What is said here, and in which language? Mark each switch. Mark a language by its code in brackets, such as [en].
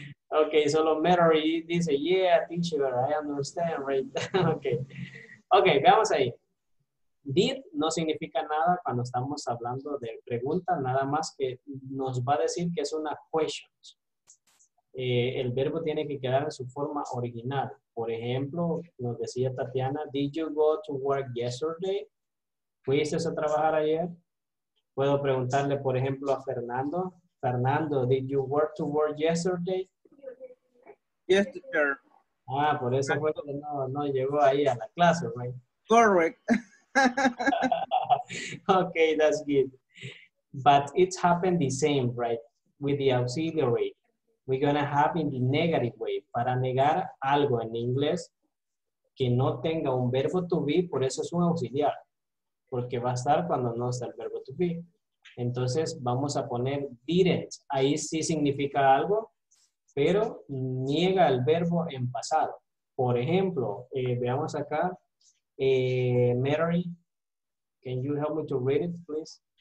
[en] Okay, so the matter dice, yeah, teacher, I understand, right? [es] Okay. Okay, veamos ahí. Did no significa nada cuando estamos hablando de pregunta, nada más que nos va a decir que es una question. El verbo tiene que quedar en su forma original. Por ejemplo, nos decía Tatiana, [en] did you go to work yesterday? [es] ¿Fuiste a trabajar ayer? Puedo preguntarle, por ejemplo, a Fernando. [en] Fernando, did you work to work yesterday? Yes, teacher. [es] Ah, por eso fue que no llegó ahí a la clase, right? [en] Correct. Okay, that's good. But it's happened the same, right? With the auxiliary. We're gonna have in the negative way. [es] Para negar algo en inglés que no tenga un verbo to be, por eso es un auxiliar. Porque va a estar cuando no está el verbo to be. Entonces, vamos a poner didn't. Ahí sí significa algo, pero niega el verbo en pasado. Por ejemplo, veamos acá. [en] Mary, can you help me to read it, please?